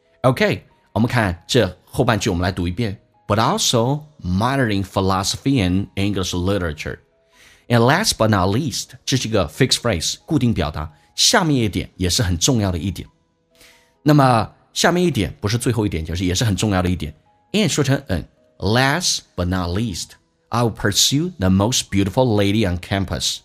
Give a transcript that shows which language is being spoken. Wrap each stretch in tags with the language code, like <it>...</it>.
<zh>OK，我们看这后半句，我们来读一遍。</zh> <en>But also minor in philosophy and English literature. And last but not least,</en> <zh>这是一个</zh> <en>fixed phrase,</en> <zh>固定表达。下面一点也是很重要的一点。那么下面一点不是最后一点，就是也是很重要的一点。 And 说成 n,</zh> <en>last but not least, I will pursue the most beautiful lady on campus.</en>